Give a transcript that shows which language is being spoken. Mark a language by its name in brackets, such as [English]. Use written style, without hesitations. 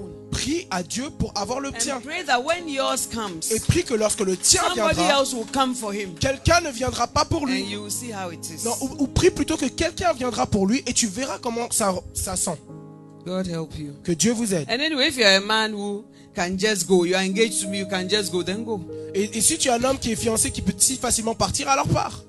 [French] Prie à Dieu pour avoir le tien. Et prie que lorsque le tien viendra, quelqu'un ne viendra pas pour lui. Non, ou prie plutôt que quelqu'un viendra pour lui et tu verras comment ça sent. [English] God help you. [French] Que Dieu vous aide. [English] And anyway, if you're a man who can just go, you are engaged to me, you can just go, then go. [French] Et si tu es un homme qui est fiancé qui peut si facilement partir, alors pars.